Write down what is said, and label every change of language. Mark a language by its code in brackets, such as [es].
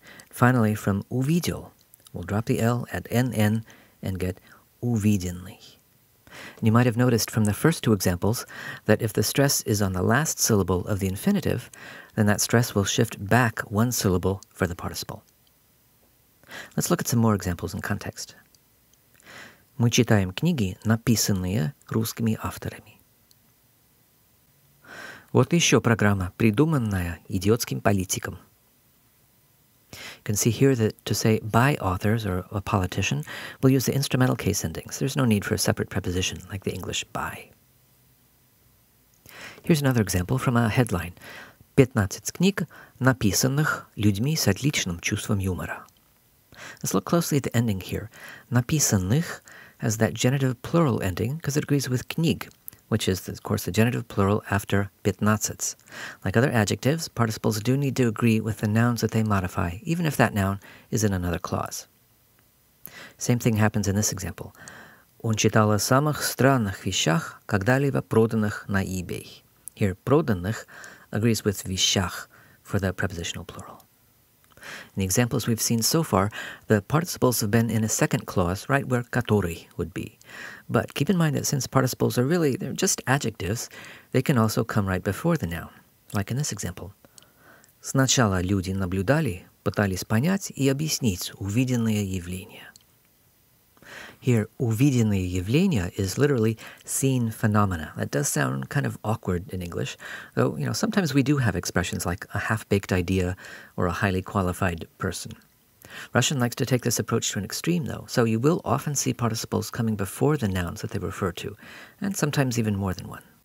[en] Finally, from увидел, we'll drop the L, add nn and get увиденный. And you might have noticed from the first two examples that if the stress is on the last syllable of the infinitive, then that stress will shift back one syllable for the participle. Let's look at some more examples in context. [ru] Мы читаем книги, написанные русскими авторами. Вот еще программа, придуманная идиотским политиком. [en] You can see here that to say by authors or a politician, we'll use the instrumental case endings. There's no need for a separate preposition like the English by. Here's another example from a headline. [ru] 15 книг, написанных людьми с отличным чувством юмора. [en] Let's look closely at the ending here. Написанных has that genitive plural ending because it agrees with книг, which is, of course, the genitive plural after пятнадцать. Like other adjectives, participles do need to agree with the nouns that they modify, even if that noun is in another clause. Same thing happens in this example. [ru] Он читал о самых странных вещах, когда-либо проданных на eBay. [en] Here, проданных agrees with вещах for the prepositional plural. In the examples we've seen so far, the participles have been in a second clause, right where который would be. But keep in mind that since participles are really, they're just adjectives, they can also come right before the noun, like in this example. [ru] Сначала люди наблюдали, пытались понять и объяснить увиденные явления. [en] Here, [ru] увиденные явления [en] is literally seen phenomena. That does sound kind of awkward in English, though, you know, sometimes we do have expressions like a half-baked idea or a highly qualified person. Russian likes to take this approach to an extreme, though, so you will often see participles coming before the nouns that they refer to, and sometimes even more than one.